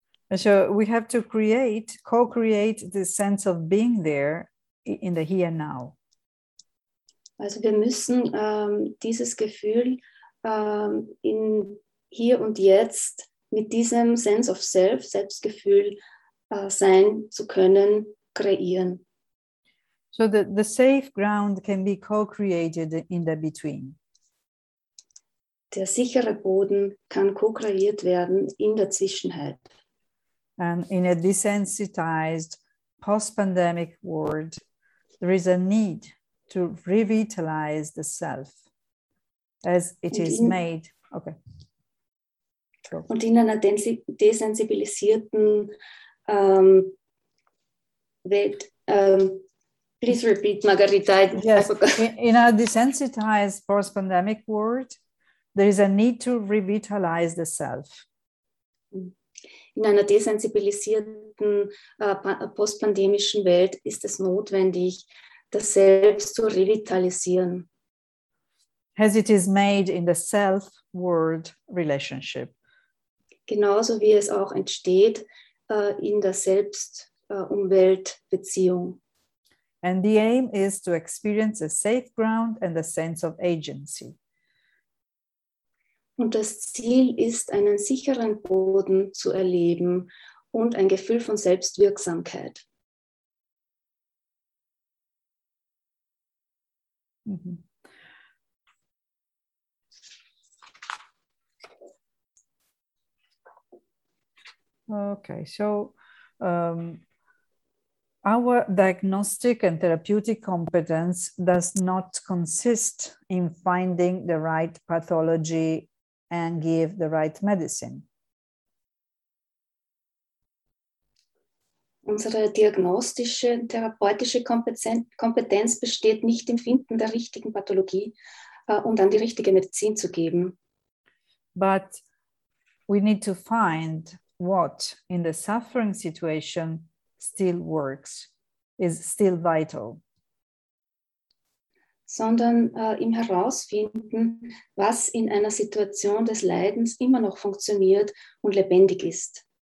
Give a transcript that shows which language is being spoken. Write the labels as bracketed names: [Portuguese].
[English] So we have to co-create the sense of being there in the here and now. [German] Also wir müssen dieses Gefühl in hier und jetzt mit diesem [English] Sense of Self, [German] Selbstgefühl sein zu können, kreieren. [English] So the safe ground can be co-created in the between. [German] Der sichere Boden kann co-kreiert werden in der Zwischenheit. [English] And in a desensitized post-pandemic world, there is a need to revitalize the self as it is made. Okay. [German] So. Und in einer desensibilisierten Welt, [English] please repeat, [German] Margarita. [English] Yes. In a desensitized post-pandemic world, there is a need to revitalize the self. [German] In einer desensibilisierten postpandemischen Welt ist es notwendig, das Selbst zu revitalisieren. [English] As it is made in the self-world relationship. [German] Genauso wie es auch entsteht in der Selbst-Umwelt-Beziehung. [English] And the aim is to experience a safe ground and a sense of agency. [German] Und das Ziel ist, einen sicheren Boden zu erleben und ein Gefühl von Selbstwirksamkeit. [English] Okay, so our diagnostic and therapeutic competence does not consist in finding the right pathology and give the right medicine. [German] Unsere diagnostische und therapeutische Kompetenz besteht nicht im Finden der richtigen Pathologie, um dann die richtige Medizin zu geben. [English] But we need to find what in the suffering situation still works, is still vital. [German] Sondern im Herausfinden, was in einer Situation des Leidens immer noch funktioniert und lebendig ist.